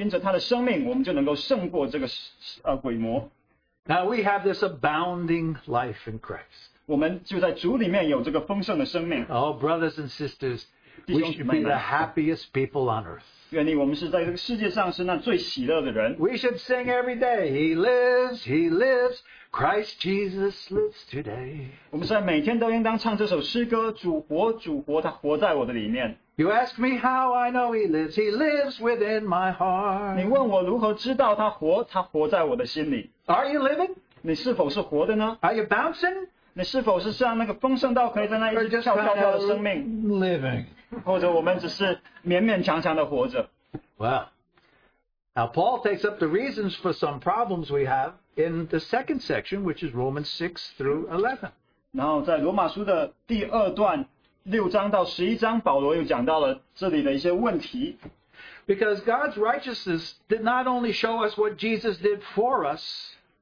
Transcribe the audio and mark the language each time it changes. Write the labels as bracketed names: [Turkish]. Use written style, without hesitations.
[Chinese] 但是主既拯救了我们，就因着他的宝血，因着我们所守的道，因着他的生命，我们就能够胜过这个鬼魔。 [English] Now we have this abounding life in Christ. [Chinese] 我们就在主里面有这个丰盛的生命。 [English] Oh, brothers and sisters, we should be the happiest people on earth. [Chinese] 愿你我们是在这个世界上是那最喜乐的人。 [English] We should sing every day, he lives, he lives, Christ Jesus lives today. [Chinese] 我们是在每天都应当唱这首诗歌，主活，主活，他活在我的里面。 [English] You ask me how I know he lives within my heart. [Chinese] 你问我如何知道他活，他活在我的心里。 [English] Are you living? [Chinese] 你是否是活的呢? [English] Are you bouncing? [Chinese] 你是否是像那个丰盛到可以在那一直跳跳跳的生命? [English] Living. [Chinese] 或者我们只是勉勉强强的活着。 [English] Well, now Paul takes up the reasons for some problems we have in the second section, which is Romans 6 through 11. [Chinese] 然后在罗马书的第二段,6章到11章, 保罗又讲到了这里的一些问题。 [English] Because God's righteousness did not only show us what Jesus did for us.